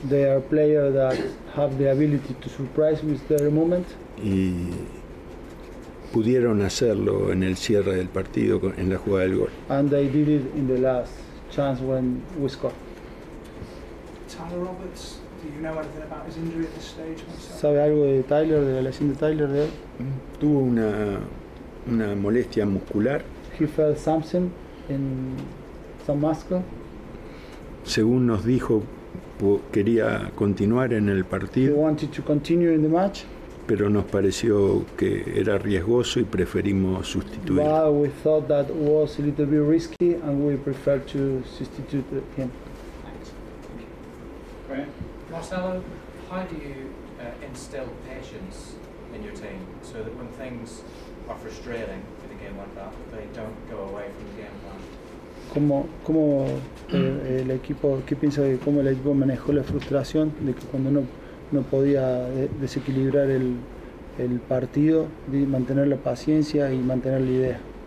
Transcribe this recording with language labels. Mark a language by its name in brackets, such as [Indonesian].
[English] They are players that have the ability to surprise with their moment. [Spanish] Y pudieron hacerlo en el cierre del partido, en la jugada del gol. [English] And they did it in the last chance when we scored. Tyler Roberts, do you know anything about his injury at this stage? [Spanish] ¿Sabe algo de Tyler, de la lesión de Tyler? De él? Tuvo una molestia muscular. [English] He felt something [Spanish] en San Masco. Según nos dijo, quería continuar en el partido. [English] He wanted to continue in the match. [Spanish] Pero nos pareció que era riesgoso y preferimos sustituir. [English] But we thought that was a little bit risky and we preferred to substitute him. Thanks. Thank you. Marcelo, how do you instill patience in your team so that when things are frustrating in a game like that, they don't go away from the game plan? [Spanish] ¿Cómo el equipo, qué piensa de cómo el equipo manejó la frustración de que cuando no podía desequilibrar el partido, de mantener la paciencia y mantener la idea?